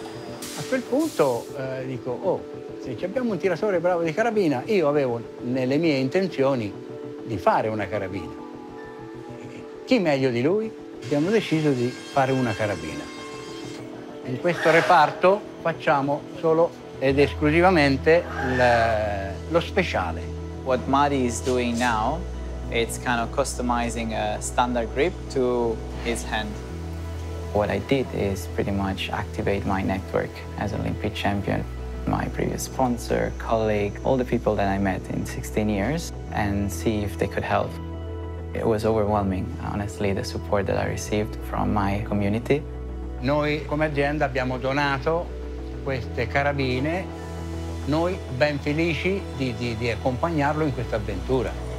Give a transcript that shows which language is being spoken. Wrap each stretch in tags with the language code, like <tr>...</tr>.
<it>A quel punto dico, oh, se ci abbiamo un tiratore bravo di carabina, io avevo nelle mie intenzioni di fare una carabina. Chi meglio di lui? Abbiamo deciso di fare una carabina. In questo reparto facciamo solo ed esclusivamente lo speciale.</it> <en>What Mahdi is doing now, it's kind of customizing a standard grip to his hand. What I did is pretty much activate my network as an Olympic champion, my previous sponsor, colleague, all the people that I met in 16 years, and see if they could help. It was overwhelming, honestly, the support that I received from my community.</en> <it>Noi come azienda abbiamo donato queste carabine, noi ben felici di accompagnarlo in questa avventura.</it>